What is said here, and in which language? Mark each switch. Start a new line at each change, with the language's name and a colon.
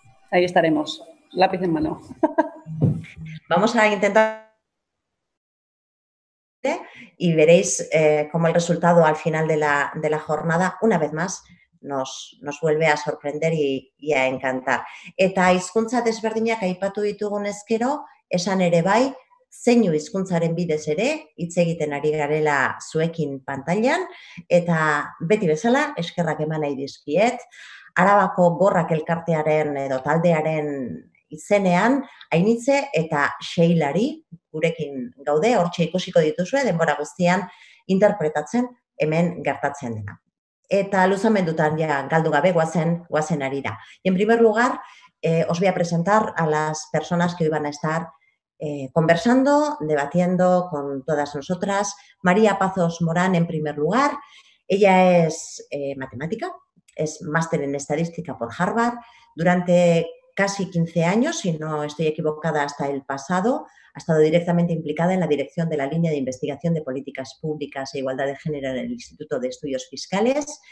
Spanish: Ahí estaremos, lápiz en mano. Vamos a intentar y veréis cómo el resultado al final de la jornada, una vez más, nos vuelve a sorprender y a encantar.
Basque: Eta hizkuntza desberdinak aipatu ditugun ezkero, esan ere bai, zeinu hizkuntzaren bidez ere hitz egiten ari garela zuekin pantailan, eta beti bezala eskerrak eman nahi dizkiet Arabako Gorrak elkartearen edo taldearen izenean Ainitze eta Seilari gurekin gaude, hortxe ikusiko dituzue denbora guztian interpretatzen hemen gertatzen dena. Eta luzamendutan ja galdu gabe goazen arira.
Spanish: Y en primer lugar, os voy a presentar a las personas que hoy van a estar conversando, debatiendo con todas nosotras. María Pazos Morán, en primer lugar. Ella es matemática, es máster en estadística por Harvard. Durante casi 15 años, si no estoy equivocada, hasta el pasado, ha estado directamente implicada en la dirección de la línea de investigación de políticas públicas e igualdad de género en el Instituto de Estudios Fiscales.